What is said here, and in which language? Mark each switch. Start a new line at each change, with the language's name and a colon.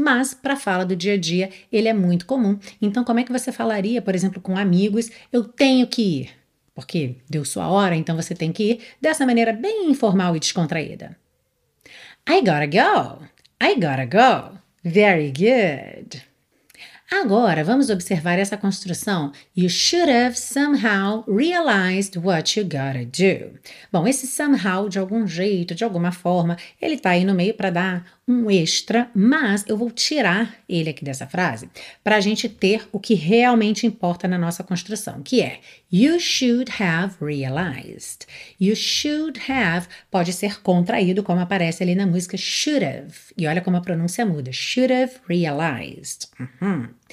Portuguese: Mas, para fala do dia a dia, ele é muito comum. Então, como é que você falaria, por exemplo, com amigos, eu tenho que ir? Porque deu sua hora, então você tem que ir dessa maneira bem informal e descontraída.
English: I gotta go. I gotta go. Very good.
Portuguese: Agora, vamos observar essa construção.
English: You should have somehow realized what you gotta do.
Portuguese: Bom, esse somehow, de algum jeito, de alguma forma, ele tá aí no meio para dar um extra, mas eu vou tirar ele aqui dessa frase para a gente ter o que realmente importa na nossa construção, que é
English: you should have realized.
Portuguese: You should have pode ser contraído, como aparece ali na música should have. E olha como a pronúncia muda.
English: Should have realized.
Portuguese: Uhum.